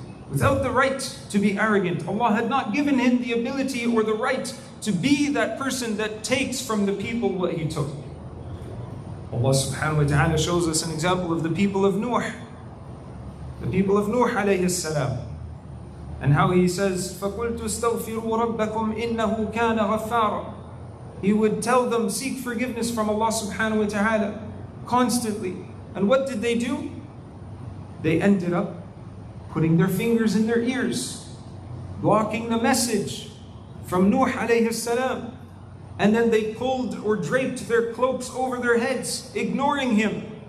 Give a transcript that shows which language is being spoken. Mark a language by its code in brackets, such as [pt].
[en] Without the right to be arrogant. Allah had not given him the ability or the right to be that person that takes from the people what he took. Allah subhanahu wa ta'ala shows us an example of the people of Nuh. The people of Nuh alayhi salam. And how he says, [ar] فَقُلْتُ اسْتَغْفِرُوا رَبَّكُمْ إِنَّهُ كَانَ غَفَّارًا. [en] He would tell them, seek forgiveness from Allah subhanahu wa ta'ala constantly. And what did they do? They ended up putting their fingers in their ears, blocking the message from Nuh alayhi salam. And then they pulled or draped their cloaks over their heads, ignoring him.